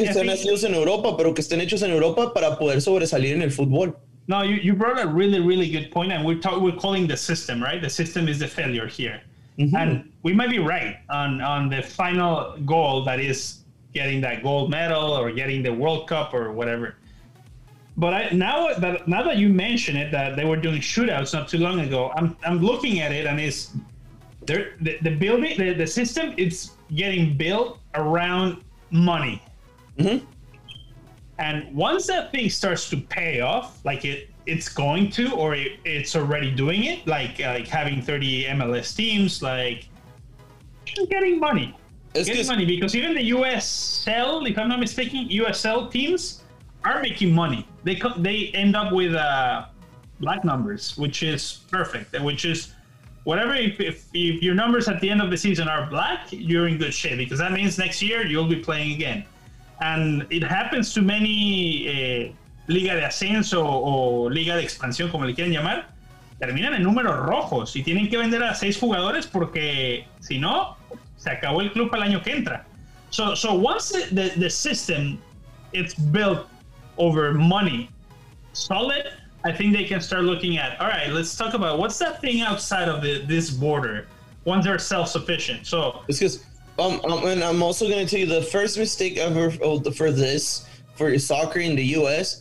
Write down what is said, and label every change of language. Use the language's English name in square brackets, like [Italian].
[Spanish] in Europa, pero que estén hechos en Europa para poder sobresalir en el fútbol. [English] No, you brought a really, really good point, and we're calling the system, right? The system is the failure here. Mm-hmm. And we might be right on the final goal, that is getting that gold medal or getting the World Cup or whatever. But now that you mention it, that they were doing shootouts not too long ago, I'm looking at it, and the system is getting built around money. Mm-hmm. And once that thing starts to pay off, like it's going to, or it's already doing it, like having 30 MLS teams, like getting money. It's getting money, because even the USL, if I'm not mistaken, USL teams are making money. They end up with black numbers, which is perfect. Which is whatever. If your numbers at the end of the season are black, you're in good shape, because that means next year you'll be playing again. And it happens to many [Spanish] Liga de Ascenso o Liga de Expansión, como le quieran llamar, terminan en números rojos y tienen que vender a 6 jugadores porque si no, se acabó el club para el año que entra. [English] So once the system it's built over money solid, I think they can start looking at, all right, let's talk about what's that thing outside of this border once they're self-sufficient. So it's because and I'm also going to tell you the first mistake ever for soccer in the U.S.